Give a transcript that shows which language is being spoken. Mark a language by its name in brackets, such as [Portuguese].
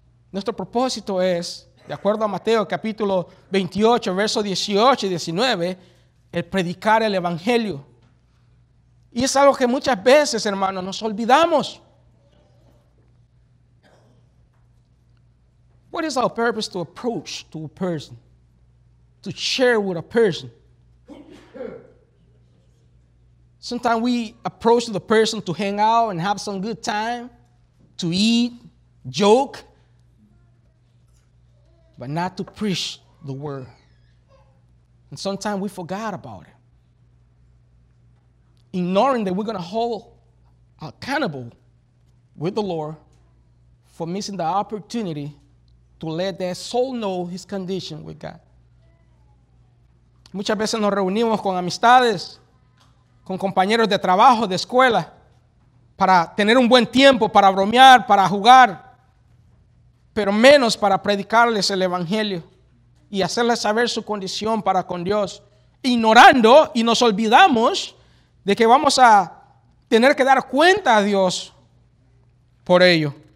[Spanish] Nuestro propósito es, de acuerdo a Mateo capítulo 28, verso 18 y 19, el predicar el evangelio. Y es algo que muchas veces, hermanos, nos olvidamos. [English] What is our purpose to approach to a person? To share with a person? Sometimes we approach the person to hang out and have some good time, to eat, joke, but not to preach the word. And sometimes we forgot about it. Ignoring that we're going to hold accountable with the Lord for missing the opportunity to let that soul know his condition with God. [Spanish] Muchas veces nos reunimos con amistades, con compañeros de trabajo, de escuela, para tener un buen tiempo, para bromear, para jugar, pero menos para predicarles el evangelio y hacerles saber su condición para con Dios, ignorando y nos olvidamos de que vamos a tener que dar cuenta a Dios por ello.